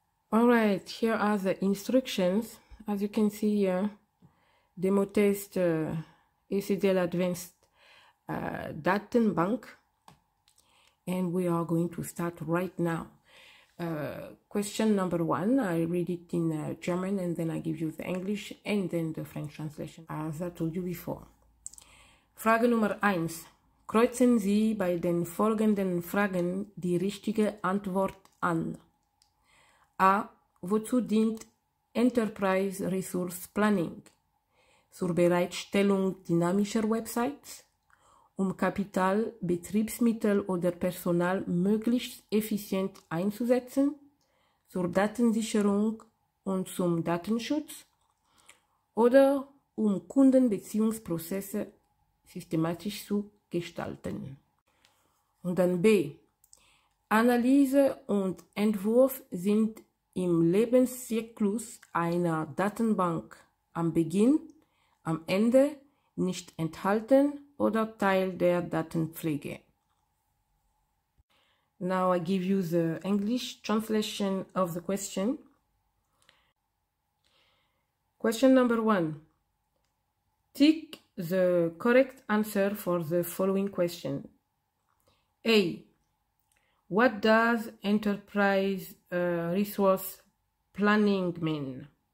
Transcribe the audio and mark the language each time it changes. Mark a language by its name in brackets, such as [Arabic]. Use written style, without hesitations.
[English] All right, here are the instructions. As you can see here, demo test, ECDL Advanced Datenbank. And we are going to start right now. Question number 1, I read it in German and then I give you the English and then the French translation, as I told you before. [German] Frage Nummer 1. Kreuzen Sie bei den folgenden Fragen die richtige Antwort an. A. Wozu dient Enterprise Resource Planning? Zur Bereitstellung dynamischer Websites? Um Kapital, Betriebsmittel oder Personal möglichst effizient einzusetzen? Zur Datensicherung und zum Datenschutz? Oder um Kundenbeziehungsprozesse systematisch zu gestalten. Und dann B. Analyse und Entwurf sind im Lebenszyklus einer Datenbank am Beginn, am Ende nicht enthalten oder Teil der Datenpflege. [English] Now I give you the English translation of the question. Question number 1. Tick the correct answer for the following question. A. What does enterprise resource planning mean?